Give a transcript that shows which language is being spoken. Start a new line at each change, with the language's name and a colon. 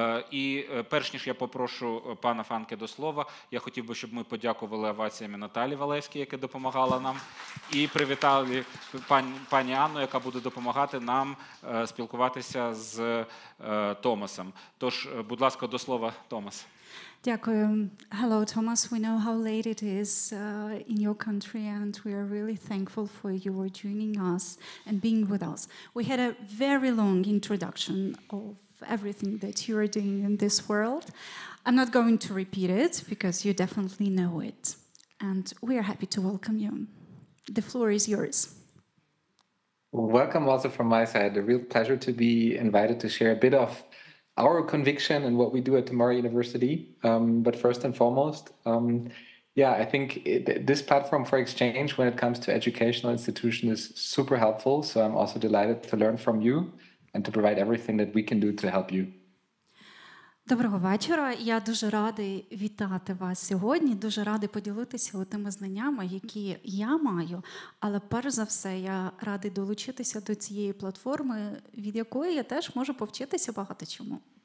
Ukrainian: І перш ніж я попрошу пана Фанке до слова, я хотів би, щоб ми подякували оваціями Наталі Валевській, яка допомагала нам, і привітали пані Анну, яка буде допомагати нам спілкуватися з Томасом. Тож, будь ласка, до слова, Томас. Дякую.
English: Hello, Thomas. We know how late it is in your country, and we are really thankful for you for joining us and being with us. We had a very long introduction of everything that you are doing in this world. I'm not going to repeat it, because you definitely know it. And we are happy to welcome you. The floor is yours. Welcome also from my side. A real pleasure to be invited to share a bit of our conviction and what we do at Tomorrow University. But first and foremost, I think this platform for exchange when it comes to educational institutions is super helpful. So I'm also delighted to learn from you and to provide everything that we can do to help you.
Ukrainian: Доброго вечора. Я дуже радий вітати вас сьогодні, дуже радий поділитися тими знаннями, які я маю. Але перш за все, я радий долучитися до цієї платформи, від якої я теж можу повчитися багато чому.